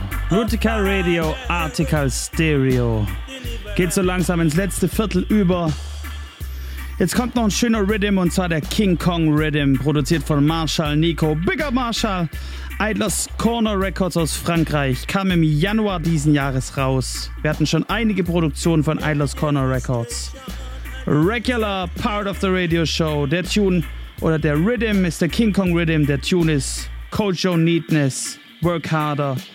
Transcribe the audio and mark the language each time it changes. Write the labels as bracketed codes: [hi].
[de] Rootikal Radio, Artikal Stereo. Geht so langsam ins letzte Viertel über. Jetzt kommt noch ein schöner Rhythm, und zwar der King Kong Rhythm, produziert von Marshall Nico. [en] Big up Marshall! [de] Idlers Corner Records aus Frankreich kam im Januar diesen Jahres raus. Wir hatten schon einige Produktionen von Idlers Corner Records. [en] Regular part of the radio show. [de] Der Tune oder der Rhythm ist der King Kong Rhythm. Der Tune ist Cold Joe Neatness, Work Harder.